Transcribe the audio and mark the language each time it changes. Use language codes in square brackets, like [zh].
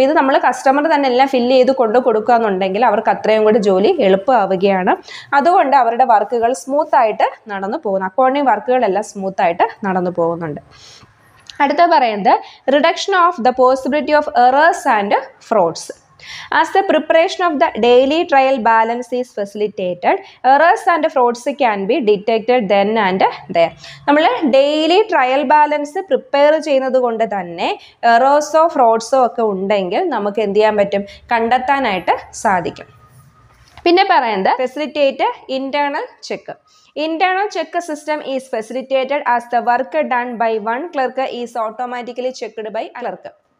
[ml] അപ്പോൾ ഇത് നമ്മൾ കസ്റ്റമർ തന്നെ എല്ലാം ഫില്ല് ചെയ്ത് കൊണ്ട് കൊടുക്കുകയാണെന്നുണ്ടെങ്കിൽ അവർക്ക് അത്രയും കൂടെ ജോലി എളുപ്പമാവുകയാണ്. അതുകൊണ്ട് അവരുടെ വർക്കുകൾ സ്മൂത്തായിട്ട് നടന്നു പോകുന്നു, അക്കൗണ്ടിങ് വർക്കുകളെല്ലാം സ്മൂത്തായിട്ട് നടന്നു പോകുന്നുണ്ട്. അടുത്ത പറയുന്നത് [en] Reduction of the possibility of errors and frauds. As the preparation of the daily trial balance is facilitated, errors and frauds can be detected then and there. [ml] നമ്മൾ ഡെയിലി ട്രയൽ ബാലൻസ് പ്രിപ്പയർ ചെയ്യുന്നത് കൊണ്ട് തന്നെ എറേഴ്സോ ഫ്രോഡ്സോ ഒക്കെ ഉണ്ടെങ്കിൽ നമുക്ക് എന്ത് ചെയ്യാൻ പറ്റും, കണ്ടെത്താനായിട്ട് സാധിക്കും. പിന്നെ പറയുന്നത് [en] Facilitate internal check. Internal check system is facilitated as the work done by one clerk is automatically checked by a clerk.